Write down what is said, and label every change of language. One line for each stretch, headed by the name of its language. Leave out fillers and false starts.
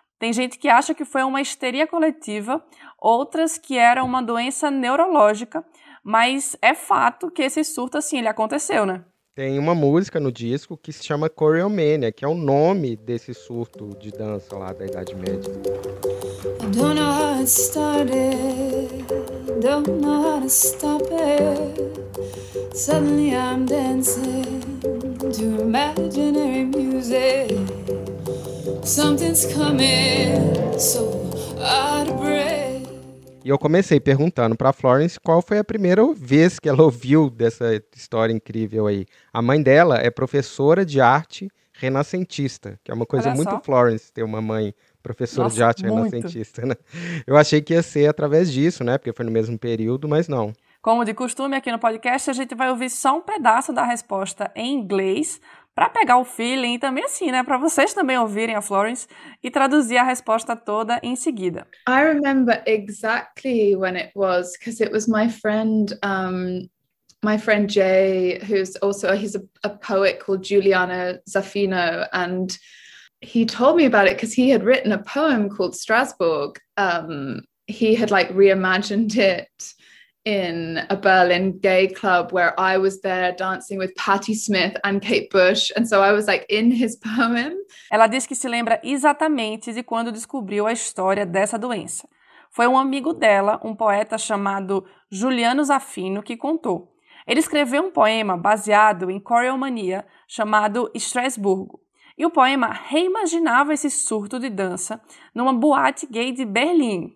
Portuguese: Tem gente que acha que foi uma histeria coletiva, outras que era uma doença neurológica, mas é fato que esse surto, assim, ele aconteceu, né? Tem uma música no disco que se chama Choreomania, que é o nome desse surto de dança lá da Idade Média.
English: I don't know how it started, don't know how to stop it. Suddenly I'm dancing to imaginary music. Something's coming, so out of breath.
Portuguese: E eu comecei perguntando para Florence qual foi a primeira vez que ela ouviu dessa história incrível aí. A mãe dela é professora de arte renascentista, que é uma coisa muito Florence ter uma mãe professora de arte renascentista, né? Eu achei que ia ser através disso, né? Porque foi no mesmo período, mas não. Como de costume aqui no podcast, a gente vai ouvir só um pedaço da resposta em inglês para pegar o feeling e também assim, né, para vocês também ouvirem a Florence e traduzir a resposta toda em seguida.
English: I remember exactly when it was, because it was my friend Jay, who's also, he's a poet called Giuliano Zaffino, and he told me about it because he had written a poem called Strasbourg. He had like reimagined it in a Berlin gay club where I was there dancing with Patti Smith and Kate Bush, and so I was like in his poem.
Portuguese: Ela disse que se lembra exatamente de quando descobriu a história dessa doença. Foi um amigo dela, um poeta chamado Giuliano Zaffino, que contou. Ele escreveu um poema baseado em Choreomania chamado Estrasburgo. E o poema reimaginava esse surto de dança numa boate gay de Berlim.